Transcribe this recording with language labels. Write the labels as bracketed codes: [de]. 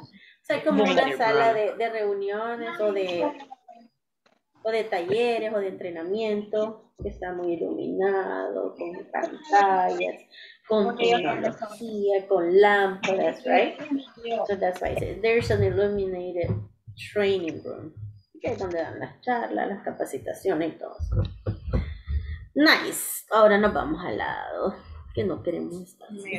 [es] O sea, como una sala de reuniones o de talleres o de entrenamiento que está muy iluminado, con pantallas, con tecnología, con lámparas, right? [en] So that's why I say there's an illuminated training room. [es] Que es donde dan las charlas, las capacitaciones y todo. Nice. Ahora nos vamos al lado que no queremos estar.